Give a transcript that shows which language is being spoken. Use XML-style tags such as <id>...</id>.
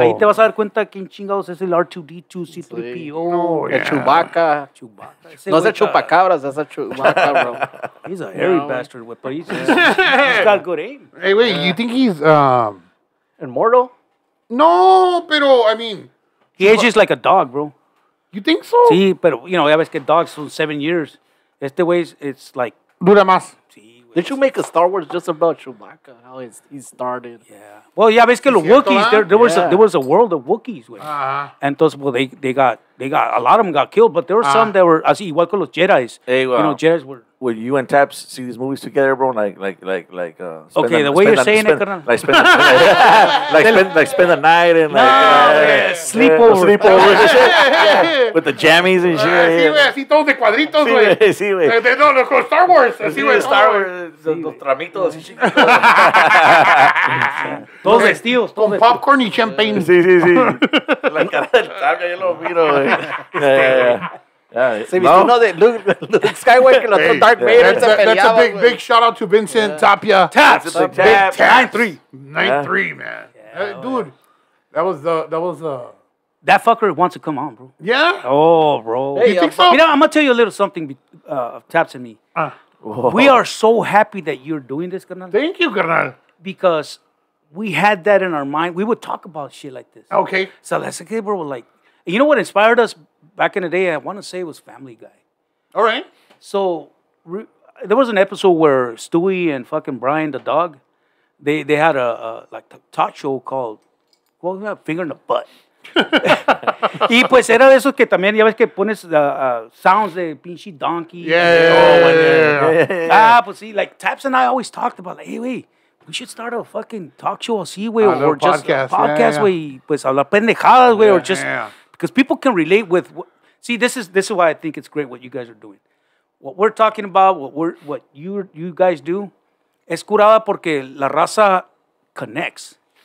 <es>Ahí te vas a dar cuenta quién chingados es el R2-D2, C3PO. El Chewbacca. No es el Chupacabras, es el Chewbacca, bro.</es> <en>He's a hairy bastard, but he's got good aim. Hey, wait, you think he's... immortal?</en> <es>No, pero,</es> <en>I mean... He ages like a dog, bro. You think so?</en> <es>Sí, pero,</es> <en>you know,</en> <es>ya ves que dogs son</es> <en>7 years.</en> <es>Este</es> <en>way, it's like...</en> <es>Dura más. Sí,</es> <en>did you make a Star Wars just about Chewbacca? How he started? Yeah. Well,</en> <es>ya ves que los</es> <en>Wookiees, there was a world of Wookiees,</en> <es>güey.</es> <en>And entonces, well, they got, a lot of them got killed, but there were some that were,</en> <es>así, igual que los</es> <en>Jedis. Hey, well, you know, Jedis were... Would you and Taps see these movies together, bro? Like. Okay, the way you're saying it, carnal. Like spend the night and sleepover. Sleepover. Yeah. With the jammies and shit.</en> <es>Así, güey, así todos de cuadritos, güey. Sí, güey. No, Star Wars. Así, güey. Star Wars. Los tramitos. Todos vestidos. Con popcorn y champagne. Sí, sí, sí. La cara del Taps, yo lo miro, güey.</es> <en>Yeah, you know that Luke Skywalker and Dark Vader. That's a big shout out to Vincent Tapia. Taps. 9-3. 9-3, man. Yeah, dude, That fucker wants to come on, bro. Yeah? Oh, bro. Hey, you think so? You know, I'm going to tell you a little something, Taps and me. We are so happy that you're doing this, carnal. Thank you, carnal. Because we had that in our mind. We would talk about shit like this. Okay. So that's okay, bro. Like, you know what inspired us back in the day? I want to say it was Family Guy. All right. So there was an episode where Stewie and fucking Brian, the dog, they had a like talk show called, well, we have Finger in the Butt.</en> <es>Y pues era de esos que también, ya ves que pones</es> <en>sounds</en> <es>de pinche</es> <en>donkey. Yeah. Ah,</en> <es>pues sí,</es> <en>like Taps and I always talked about, like, hey, wey, we should start a fucking talk show</en> <es>así, wey,</es> <en>or just podcast, wey,</en> <es>pues hablar pendejadas, wey,</es> <en>or just, because people can relate with, see, this is why I think it's great what you guys are doing. What we're talking about, what you guys do,</en> <es>es curada porque la raza</es> <en>connects.</en>